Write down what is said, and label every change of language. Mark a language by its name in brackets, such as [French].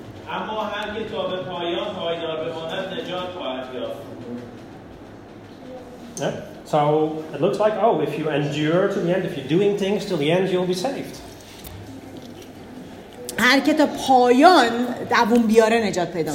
[Persian] اما هر که تا به پایان پایدار بماند نجات خواهد یافت. [English] Yeah? So it looks like, oh, if you endure to the end, if you're doing things till the end, you'll be saved. [Persian] هر که تا پایان دووم بیاره نجات پیدا